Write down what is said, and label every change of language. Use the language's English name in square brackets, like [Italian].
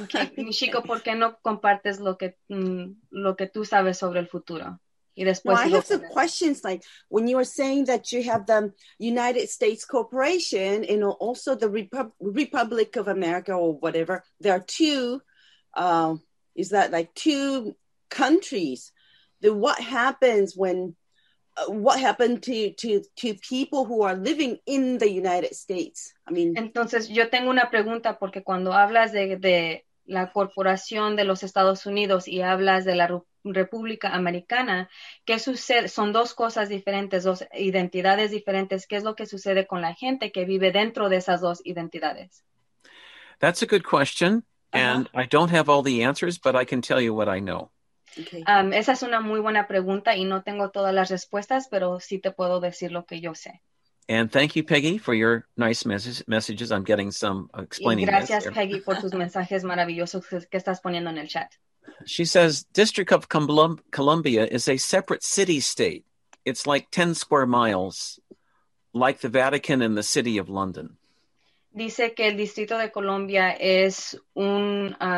[Spanish] Okay, Michiko, ¿por qué no compartes lo que tú sabes sobre el futuro? Y después [English] I have some questions, like when you were saying that you have the United States Corporation and also the Republic of America or whatever, there are two, is that like two countries? Then what happens when, what happened to people who are living in the United States? I mean, [Spanish] entonces yo tengo una pregunta porque cuando hablas de la corporación de los Estados Unidos y hablas de la República Americana, ¿qué sucede? Son dos cosas diferentes, dos identidades diferentes. ¿Qué es lo que sucede con la gente que vive dentro de esas dos identidades? [English] That's a good question, and I don't have all the answers, but I can tell you what I know. Okay. [Spanish] Esa es una muy buena pregunta y no tengo todas las respuestas, pero sí te puedo decir lo que yo sé. [English] And thank you, Peggy, for your nice messages. I'm getting some explaining. [Spanish] Y gracias, Peggy, por tus mensajes maravillosos que estás poniendo en el chat. [English] She says, District of Columbia is a separate city-state. It's like 10 square miles, like the Vatican and the City of London. [Spanish] Dice que el Distrito de Columbia es un...